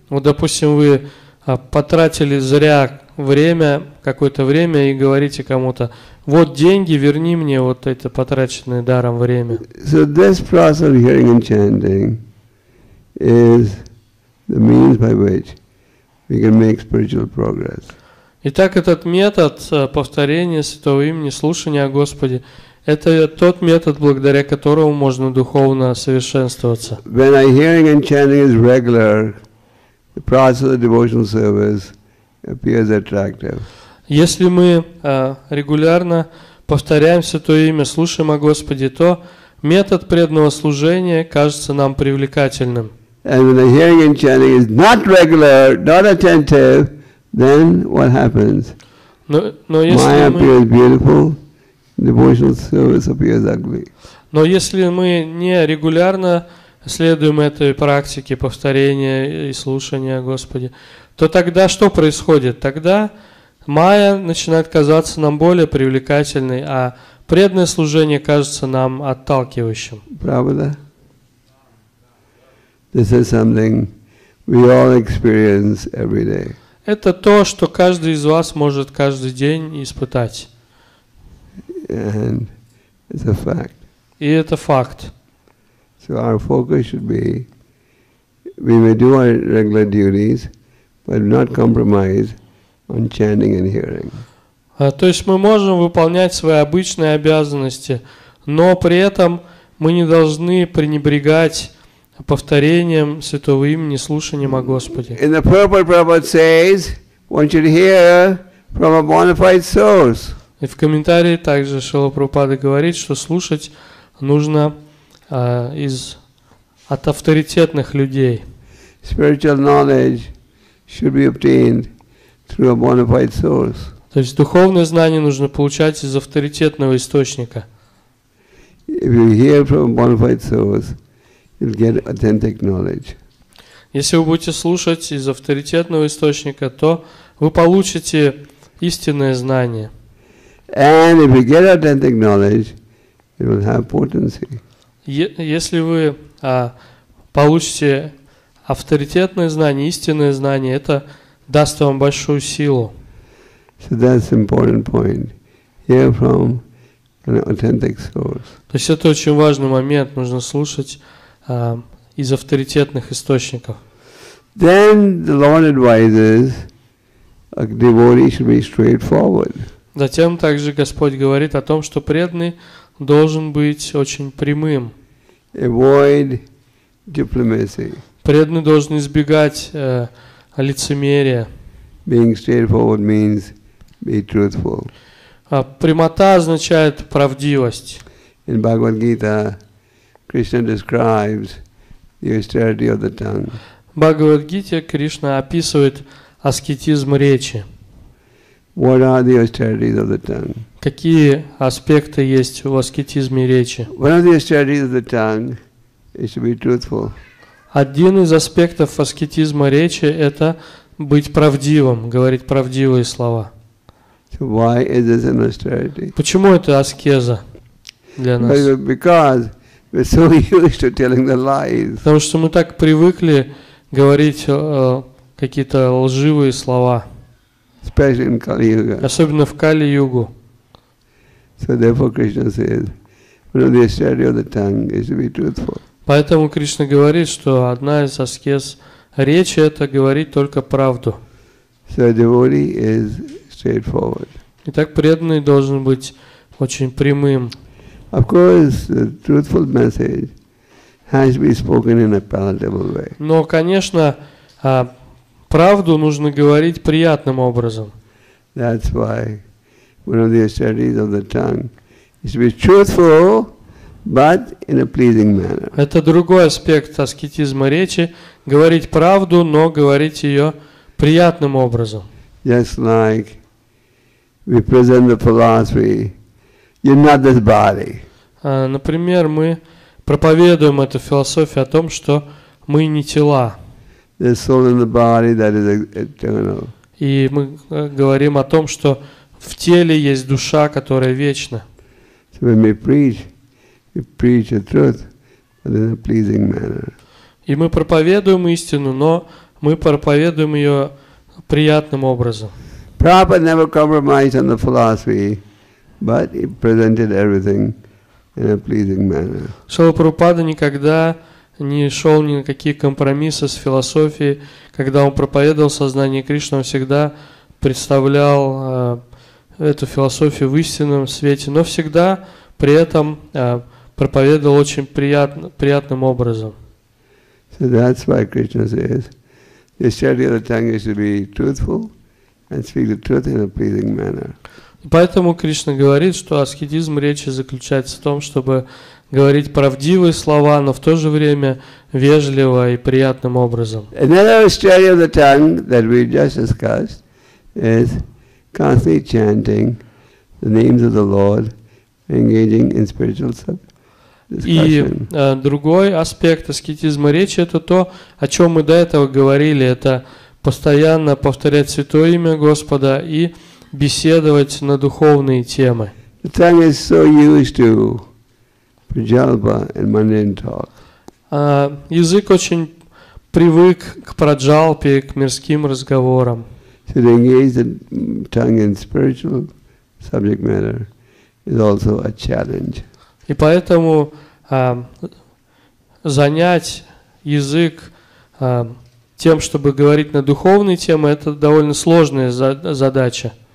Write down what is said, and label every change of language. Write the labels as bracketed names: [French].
[Russian] Вот, допустим, вы потратили зря время, какое-то время, и говорите кому-то: вот деньги, верни мне вот это потраченное даром время. [English] So this process of hearing and chanting is the means by which we can make spiritual progress. [Russian] Итак, этот метод повторения святого имени, слушания о Господе, это тот метод, благодаря которому можно духовно совершенствоваться. [English] When our hearing and chanting is regular, the process of devotional service appears attractive. [Russian] Если мы регулярно повторяем Святое Имя, слушаем о Господе, то метод преданного служения кажется нам привлекательным. [English] And when the hearing and chanting is not regular, not attentive, then what happens? Maya appears beautiful, devotional service appears ugly. [Russian] Но если мы не регулярно следуем этой практике повторения и слушания Господи, то тогда что происходит? Тогда майя начинает казаться нам более привлекательной, а преданное служение кажется нам отталкивающим. Правда? [English] This is something we all experience every day. [Russian] Это то, что каждый из вас может каждый день испытать. [English] And it's a fact. [Russian] И это факт. [English] So our focus should be, we may do our regular duties, but not compromise on chanting and hearing. [Russian] То есть мы можем выполнять свои обычные обязанности, но при этом мы не должны пренебрегать повторением Святого Имени, слушанием о Господе. [English] In the purport, Prabhupada says, one should hear from a bona fide source. [Russian] И в комментарии также Шрила Прабхупада говорит, что слушать нужно от авторитетных людей. [English] Spiritual knowledge should be obtained through a bona fide source. [Russian] То есть духовное знание нужно получать из авторитетного источника. [English] If you hear from a bona fide source, you'll get authentic knowledge. [Russian] Если вы будете слушать из авторитетного источника, то вы получите истинное знание. [English] And if you get authentic knowledge, it will have potency. [Russian] Если вы получите авторитетное знание, истинное знание, это даст вам большую силу. [English] So that's an important point. Hear from an authentic source. [Russian] То есть это очень важный момент, нужно слушать из авторитетных источников. [English] Then the Lord advises a devotee should be straightforward. [Russian] Затем также Господь говорит о том, что преданный должен быть очень прямым. [English] Avoid diplomacy. [Russian] Преданный должен избегать лицемерия. [English] Being straightforward means be truthful. [Russian] Прямота означает правдивость. [English] In Bhagavad Gita, Krishna describes the austerity of the tongue. [Russian] В Бхагавад Гите Кришна описывает аскетизм речи. [English] What are the austerities of the tongue? [Russian] Какие аспекты есть в аскетизме речи? [English] One of the austerities of the tongue is to be truthful. [Russian] Один из аспектов аскетизма речи – это быть правдивым, говорить правдивые слова. [English] So why is this an austerity? [Russian] Почему это аскеза для нас? [English] Because we're so used to telling the lies. [Russian] Потому что мы так привыкли говорить какие-то лживые слова. [English] Especially in Kali Yuga. [Russian] Особенно в Кали-Югу. [English] So therefore Krishna says, one of the austerity of the tongue is to be truthful. [Russian] Поэтому Кришна говорит, что одна из аскез речи – это говорить только правду. [English] So devotee is straightforward. [Russian] Итак, преданный должен быть очень прямым. [English] Of course, the truthful message has to be spoken in a palatable way. [Russian] Но, конечно, правду нужно говорить приятным образом. [English] That's why one of the austerities of the tongue is to be truthful, but in a pleasing manner. [Russian] Это другой аспект аскетизма речи – говорить правду, но говорить ее приятным образом. [English] Just like we present the philosophy, you're not this body. [Russian] Например, мы проповедуем эту философию о том, что мы не тела. [English] There's soul in the body that is eternal. [Russian] И мы говорим о том, что в теле есть душа, которая вечна. [English] So when we preach the truth, but in a pleasing manner. [Russian] И мы проповедуем истину, но мы проповедуем ее приятным образом. [English] Prabhupada never compromised on the philosophy, but he presented everything in a pleasing manner. [Russian] Шрила Прабхупада никогда не шел ни на какие компромиссы с философией. Когда он проповедовал сознание Кришны, он всегда представлял эту философию в истинном свете, но всегда при этом проповедовал очень приятным образом. [English] So that's why Krishna says, the study of the tongue is to be truthful. And speak the truth in a pleasing manner. [Russian] Поэтому Кришна говорит, что аскетизм речи заключается в том, чтобы говорить правдивые слова, но в то же время вежливо и приятным образом. [English] Another study of the tongue that we just discussed is constantly chanting the names of the Lord, engaging in spiritual discussion. [Russian] И другой аспект аскетизма речи – это то, о чем мы до этого говорили, это постоянно повторять Святое Имя Господа и беседовать на духовные темы. [English] The tongue is so used to prajalpa and mundane talk. [Russian] Язык очень привык к праджалпе, к мирским разговорам. [English] So to engage the tongue in spiritual subject matter is also a challenge. [Russian] И поэтому занять язык тем, чтобы говорить на духовные темы, это довольно сложная задача.